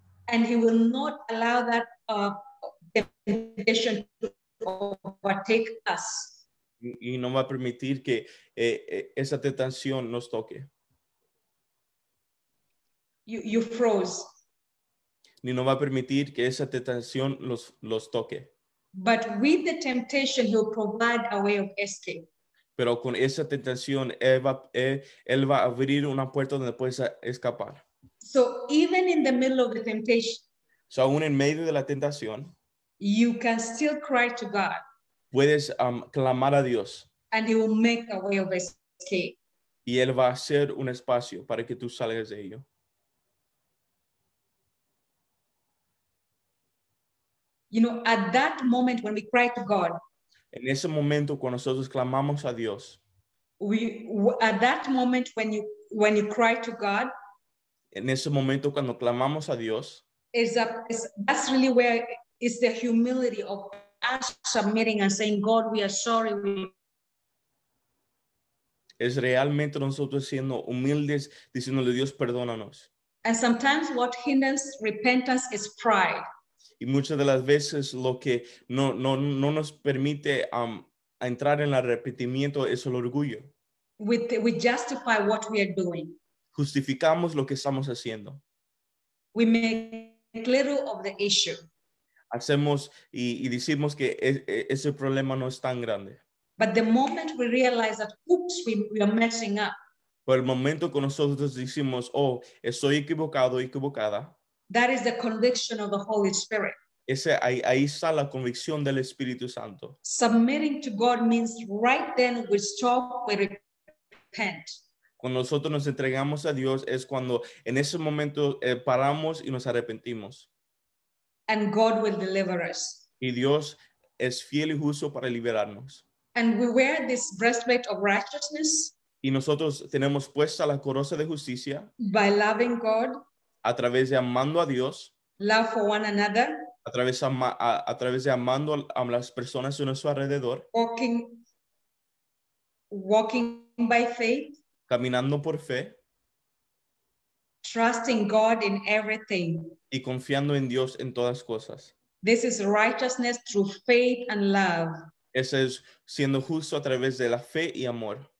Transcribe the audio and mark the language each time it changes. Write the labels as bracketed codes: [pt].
[en] And he will not allow that temptation to overtake us. [es] Y no va a permitir que esa tentación nos toque. [en] You froze. [es] Ni no va a permitir que esa tentación los toque. [en] But with the temptation, he'll provide a way of escape. [es] Pero con esa tentación, él va a abrir una puerta donde puedes escapar. [en] So even in the middle of the temptation, [es] so aún en medio de la tentación, [en] you can still cry to God. [es] Puedes clamar a Dios. [en] And he will make a way of escape. [es] Y él va a hacer un espacio para que tú salgas de ello. [en] You know, at that moment when we cry to God, [es] en ese momento cuando nosotros clamamos a Dios, [en] at that moment when you cry to God, [es] en ese momento cuando clamamos a Dios, [en] that's really where is the humility of us submitting and saying, God, we are sorry. [es] Es realmente nosotros siendo humildes diciéndole, Dios, perdónanos. [en] And sometimes what hinders repentance is pride. [es] Y muchas de las veces lo que no nos permite a entrar en el arrepentimiento es el orgullo. [en] We justify what we are doing. [es] Justificamos lo que estamos haciendo. [en] We make little of the issue. [es] Hacemos y decimos que ese problema no es tan grande. [en] But the moment we realize that, oops, we are messing up. [es] Por el momento que nosotros decimos, oh, estoy equivocado, equivocada. [en] That is the conviction of the Holy Spirit. [es] Ese, ahí está la convicción del Espíritu Santo. [en] Submitting to God means right then we stop, we repent. [es] Cuando nosotros nos entregamos a Dios es cuando en ese momento paramos y nos arrepentimos. [en] And God will deliver us. [es] Y Dios es fiel y justo para liberarnos. [en] And we wear this breastplate of righteousness. [es] Y nosotros tenemos puesta la coraza de justicia. [en] By loving God. [es] A través de amando a Dios. [en] Love for one another. [es] A través de amando a las personas de nuestro alrededor. [en] Walking by faith. [es] Caminando por fe. [en] Trusting God in everything. [es] Y confiando en Dios en todas cosas. [en] This is righteousness through faith and love. [es] Ese es siendo justo a través de la fe y amor.